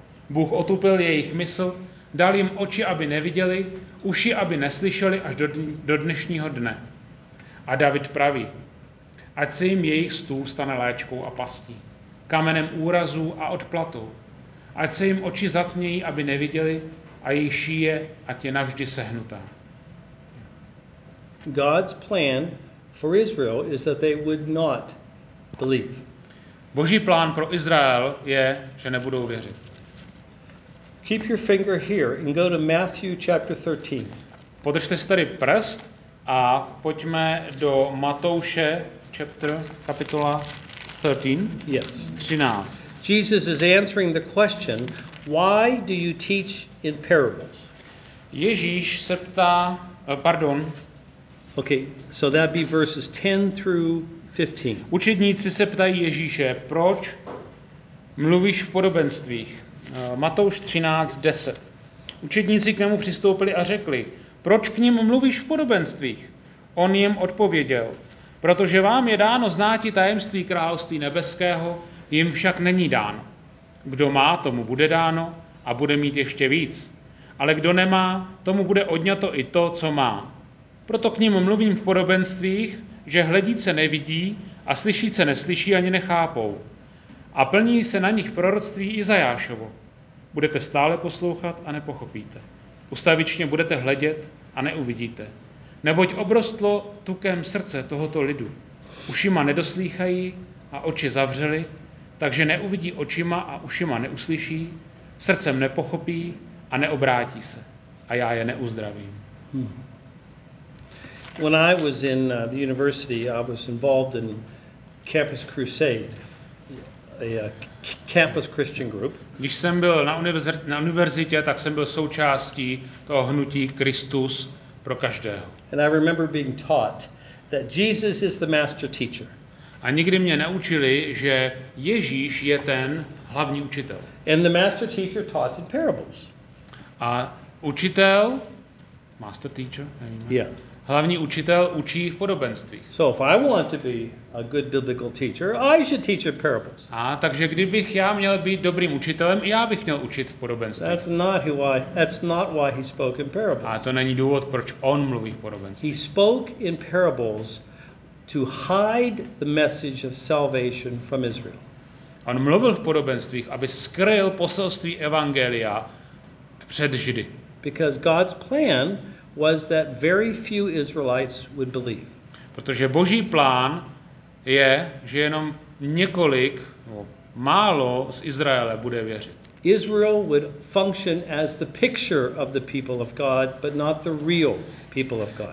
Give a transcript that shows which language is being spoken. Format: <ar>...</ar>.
<cs>Bůh otupil jejich mysl, dal jim oči, aby neviděli, uši, aby neslyšeli až do dnešního dne. A David praví, ať se jim jejich stůl stane léčkou a pastí, kamenem úrazů a odplatou. Ať se jim oči zatmějí, aby neviděli, a jejich šíje, ať je navždy sehnutá.</cs> <en>God's plan for Israel is that they would not believe.</en> <cs>Boží plán pro Izrael je, že nebudou věřit.</cs> <en>Keep your finger here and go to Matthew chapter 13.</en> <cs>Podržte si tady prst a pojďme do Matouše chapter kapitola 13.</cs> <en>Yes. 13. Jesus is answering the question, why do you teach in parables?</en> <cs>Ježíš se ptá, pardon.</cs> <en>Okay, so that'd be verses 10 through 15.</en> <cs>Učedníci se ptají Ježíše, proč mluvíš v podobenstvích? Matouš 13:10. Učedníci k němu přistoupili a řekli, proč k ním mluvíš v podobenstvích? On jim odpověděl, protože vám je dáno znáti tajemství království nebeského, jim však není dáno. Kdo má, tomu bude dáno a bude mít ještě víc. Ale kdo nemá, tomu bude odňato i to, co má. Proto k ním mluvím v podobenstvích, že hledíce nevidí a slyšíce neslyší ani nechápou. A plní se na nich proroctví Izajášovo. Budete stále poslouchat a nepochopíte. Ustavičně budete hledět a neuvidíte. Neboť obrostlo tukem srdce tohoto lidu. Ušima nedoslýchají a oči zavřeli, takže neuvidí očima a ušima neuslyší, srdcem nepochopí a neobrátí se. A já je neuzdravím.</cs> <en>When I was in the university, I was involved in Campus Crusade, a campus Christian group.</en> <cs>Když jsem byl na univerzitě, tak jsem byl součástí toho hnutí Kristus pro každého.</cs> <en>And I remember being taught that Jesus is the master teacher.</en> <cs>A nikdy mě neučili, že Ježíš je ten hlavní učitel.</cs> <en>And the master teacher taught in parables.</en> <cs>A učitel,</cs> <en>master teacher,</en> <cs>nevíme.</cs> <en>Yeah.</en> <cs>Hlavní učitel učí v podobenstvích.</cs> <en>So if I want to be a good biblical teacher, I should teach in parables.</en> <cs>A takže kdybych já měl být dobrým učitelem, já bych měl učit v podobenstvích.</cs> <en>That's not why he spoke in parables.</en> <cs>A to není důvod, proč on mluví v podobenstvích.</cs> <en>He spoke in parables to hide the message of salvation from Israel.</en> <cs>On mluvil v podobenstvích, aby skryl poselství evangelia před Židy.</cs> <en>Because God's plan was that very few Israelites would believe.</en> <cs>Protože Boží plán je, že jenom několik, no, málo z Izraele bude věřit.</cs> <en>Israel would function as the picture of the people of God, but not the real people of God.</en>